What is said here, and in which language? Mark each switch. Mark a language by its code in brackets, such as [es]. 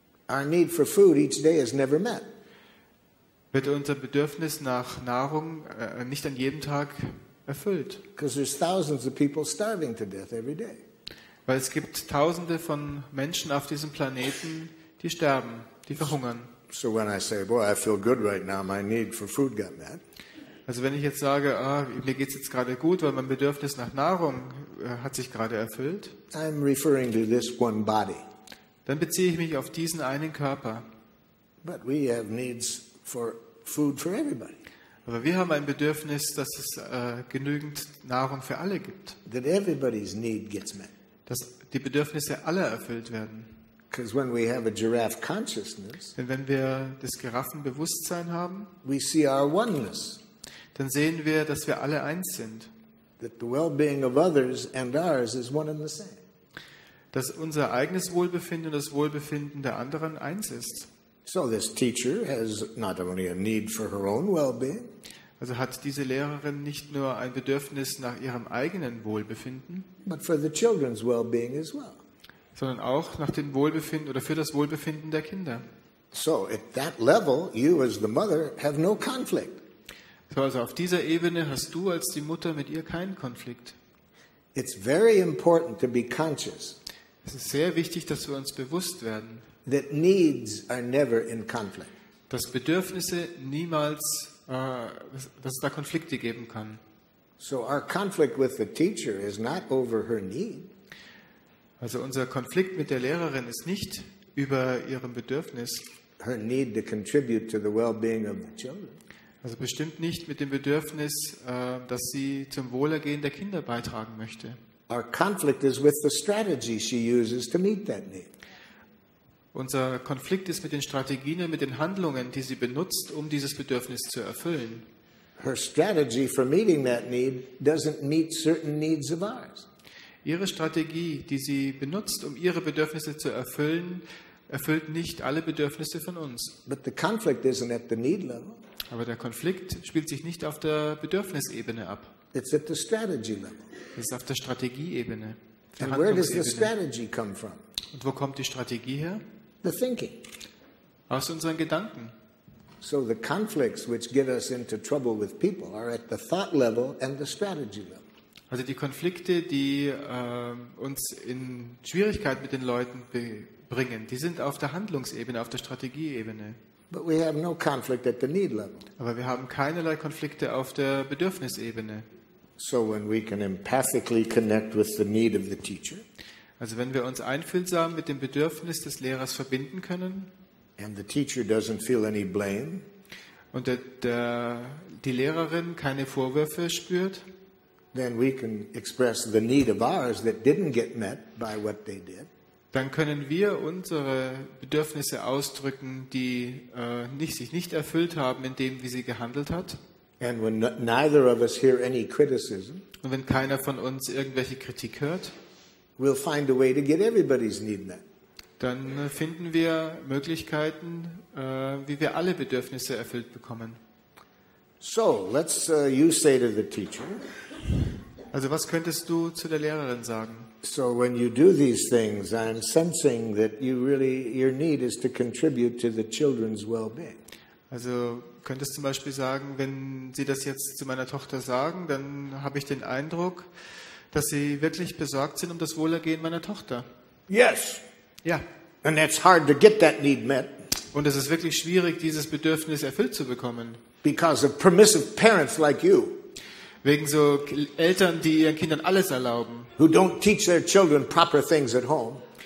[en] our need for food each day is never met. [de] Wird unser Bedürfnis nach Nahrung nicht an jedem Tag erfüllt? [en] Because there's thousands of people starving to death every day. [de] Weil es gibt Tausende von Menschen auf diesem Planeten, die sterben, die verhungern. [en] So when I say, boy, I feel good right now, my need for food got met. [de] Also wenn ich jetzt sage, ah, mir geht's jetzt gerade gut, weil mein Bedürfnis nach Nahrung hat sich gerade erfüllt. [en] I'm referring to this one body. [de] Dann beziehe ich mich auf diesen einen Körper. [en] But we have needs for food for everybody. [de] Aber wir haben ein Bedürfnis, dass es genügend Nahrung für alle gibt. [en] That everybody's need gets met. [de] Dass die Bedürfnisse aller erfüllt werden. [en] 'Cause when we have a giraffe consciousness, [de] denn wenn wir das Giraffenbewusstsein haben, [en] we see our oneness. [de] Dann sehen wir, dass wir alle eins sind. [en] That the well-being of others and ours is one and the same. [de] Dass unser eigenes Wohlbefinden und das Wohlbefinden der anderen eins ist. [en] So this teacher has not only a need for her own well-being. [de] Also hat diese Lehrerin nicht nur ein Bedürfnis nach ihrem eigenen Wohlbefinden, [en] but for the children's well-being as well. [de] Sondern auch nach dem Wohlbefinden oder für das Wohlbefinden der Kinder. [en] So at that level you as the mother have no conflict. [de] So also auf dieser Ebene hast du als die Mutter mit ihr keinen Konflikt. [en] It's very important to be conscious. [de] Es ist sehr wichtig, dass wir uns bewusst werden, [en] that needs are never in conflict. [de] Dass Bedürfnisse niemals, dass es da Konflikte geben kann. [en] So our conflict with the teacher is not over her need. [de] Also unser Konflikt mit der Lehrerin ist nicht über ihrem Bedürfnis. [en] Her need to contribute to the well-being of the children. [de] Also bestimmt nicht mit dem Bedürfnis, dass sie zum Wohlergehen der Kinder beitragen möchte. [en] Our conflict is with the strategy she uses to meet that need. [de] Unser Konflikt ist mit den Strategien, mit den Handlungen, die sie benutzt, um dieses Bedürfnis zu erfüllen. [en] Her strategy for meeting that need doesn't meet certain needs of ours. [de] Ihre Strategie, die sie benutzt, um ihre Bedürfnisse zu erfüllen, erfüllt nicht alle Bedürfnisse von uns. [en] But the conflict isn't at the need level. [de] Aber der Konflikt spielt sich nicht auf der Bedürfnisebene ab. [en] It's at the strategy level. [de] Es ist auf der Strategieebene. [en] And where does the strategy come from? [de] Und wo kommt die Strategie her? [en] The thinking. [de] Aus unseren Gedanken. [en] So the conflicts which get us into trouble with people are at the thought level and the strategy level. [de] Also die Konflikte, die uns in Schwierigkeit mit den Leuten bringen, die sind auf der Handlungsebene, auf der Strategieebene. [en] But we have no conflict at the need level. [de] Aber wir haben keinerlei Konflikte auf der Bedürfnisebene. [en] So when we can empathically connect with the need of the teacher. [de] Also wenn wir uns einfühlsam mit dem Bedürfnis des Lehrers verbinden können. [en] And the teacher doesn't feel any blame. [de] Und die Lehrerin keine Vorwürfe spürt. [en] Then we can express the need of ours that didn't get met by what they did. [de] Dann können wir unsere Bedürfnisse ausdrücken, die sich nicht erfüllt haben in dem, wie sie gehandelt hat. [en] And when neither of us hear any criticism, [de] und wenn keiner von uns irgendwelche Kritik hört, [en] we'll find a way to get everybody's need met. [de] Dann finden wir Möglichkeiten, wie wir alle Bedürfnisse erfüllt bekommen. [en] So, let's you say to the teacher. [de] Also, was könntest du zu der Lehrerin sagen? [en] So when you do these things, I'm sensing that you really your need is to contribute to the children's well-being. [de] Also könntest du zum Beispiel sagen, wenn Sie das jetzt zu meiner Tochter sagen, dann habe ich den Eindruck, dass Sie wirklich besorgt sind um das Wohlergehen meiner Tochter. [en] Yes. [de] Ja. [en] And it's hard to get that need met. [de] Und es ist wirklich schwierig, dieses Bedürfnis erfüllt zu bekommen. [en] Because of permissive parents like you. [de] Wegen so Eltern, die ihren Kindern alles erlauben. [en] Who don't teach their children proper things at home.